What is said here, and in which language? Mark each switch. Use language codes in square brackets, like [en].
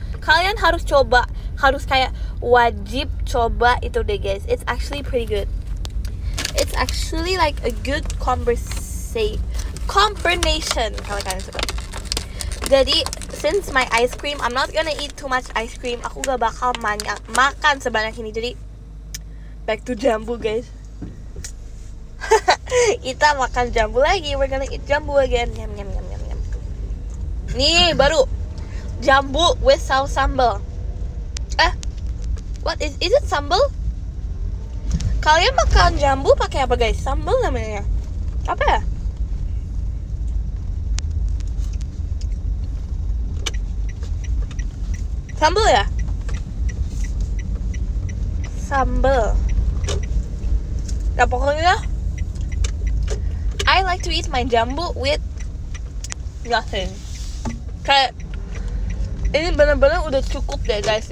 [id] kalian harus coba, harus kayak wajib coba itu deh guys. [en] It's actually pretty good. It's actually like a good combination [id] kalau kalian suka. [en] Jadi since my ice cream, I'm not gonna eat too much ice cream. [id] Aku gak bakal makan sebanyak ini. Jadi [en] back to [id] jambu guys. Kita makan jambu lagi. [en] We're gonna eat jambu again. Yum yum yum yum yum. [id] Nih baru jambu with saus sambal. [en] What is it [id] sambal? Kalian makan jambu pakai apa guys? Sambal namanya. Apa ya? Sambal ya? Sambal. Ya pokoknya [en] I like to eat my jambu with nothing. [id] Kayak ini benar-benar udah cukup deh guys.